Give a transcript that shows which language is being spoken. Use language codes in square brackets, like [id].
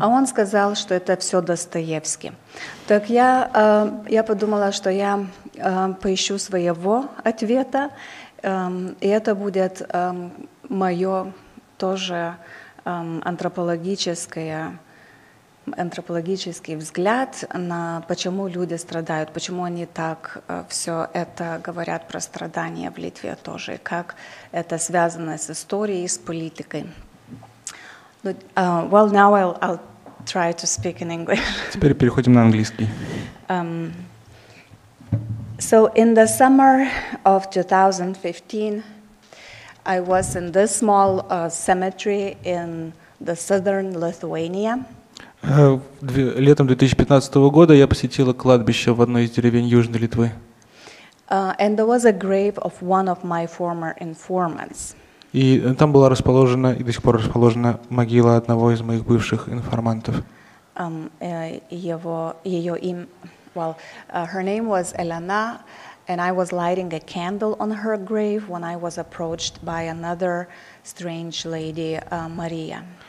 [ru] А он сказал, что это все Достоевский. Так я подумала, что я поищу своего ответа, и это будет мое тоже антропологический взгляд на почему люди страдают, почему они так все это говорят про страдания в Литве тоже, как это связано с историей, с политикой. [en] Well, now I'll try to speak in English. [ru] Теперь переходим на английский. [en] So in the summer of 2015, I was in this small cemetery in the southern Lithuania. [ru] Летом 2015 года я посетила кладбище в одной из деревень Южной Литвы. [en] And there was a grave of one of my former informants. [ru] И там была расположена и до сих пор расположена могила одного из моих бывших информантов. [en] Her name was Elena, and I was lighting a candle on her grave when I was approached by another strange lady, Maria.